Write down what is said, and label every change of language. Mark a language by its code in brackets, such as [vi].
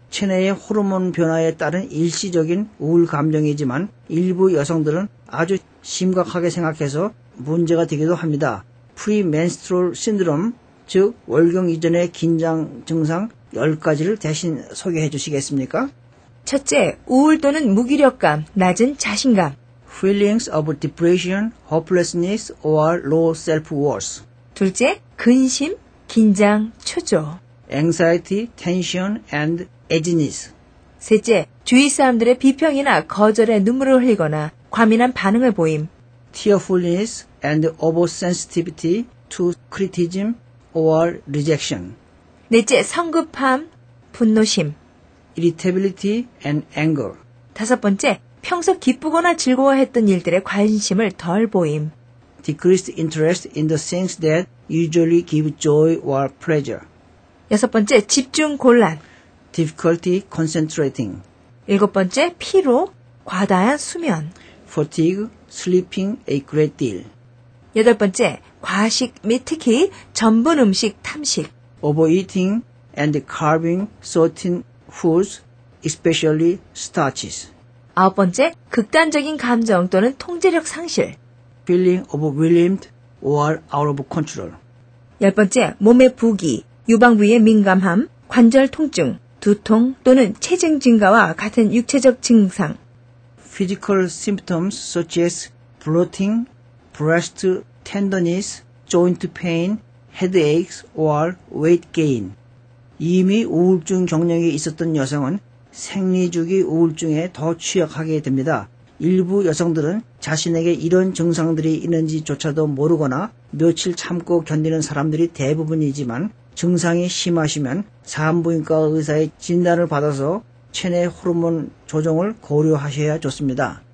[ko] 체내의 호르몬 변화에 따른 일시적인 우울 감정이지만 일부 여성들은 아주 심각하게 생각해서 문제가 되기도 합니다. 프리멘스트럴 신드롬, 즉 월경 이전의 긴장 증상 10가지를 대신 소개해 주시겠습니까? 첫째, 우울 또는 무기력감, 낮은 자신감. [en] Feelings of depression, hopelessness, or low self-worth. [ko] 둘째, 근심, 긴장, 초조. [en] Anxiety, tension, and edginess. [ko] 셋째, 주위 사람들의 비평이나 거절에 눈물을 흘리거나 과민한 반응을 보임. [en] Tearfulness and oversensitivity to criticism or rejection. [ko] 넷째, 성급함, 분노심. [en] Irritability and anger. [ko] 다섯 번째, 평소 기쁘거나 즐거워했던 일들에 관심을 덜 보임. [en] Decreased interest in the things that usually give joy or pleasure. [ko] 여섯 번째, 집중 곤란. [en] Difficulty concentrating. [ko] 일곱 번째, 피로, 과다한 수면. [en] Fatigue, sleeping a great deal. [ko] 여덟 번째, 과식 및 특히 전분 음식 탐식. [en] Overeating and carving certain foods especially starches. [ko] 아홉 번째, 극단적인 감정 또는 통제력 상실. [en] Feeling overwhelmed or out of control. [ko] 열 번째, 몸의 부기, 유방부의 민감함, 관절 통증, 두통 또는 체중 증가와 같은 육체적 증상. [en] Physical symptoms such as bloating, breast tenderness, joint pain, headaches or weight gain. [ko] 이미 우울증 경력이 있었던 여성은 생리주기 우울증에 더 취약하게 됩니다. 일부 여성들은 자신에게 이런 증상들이 있는지조차도 모르거나 며칠 참고 견디는 사람들이 대부분이지만 증상이 심하시면 산부인과 의사의 진단을 받아서 체내 호르몬 조정을 고려하셔야 좋습니다.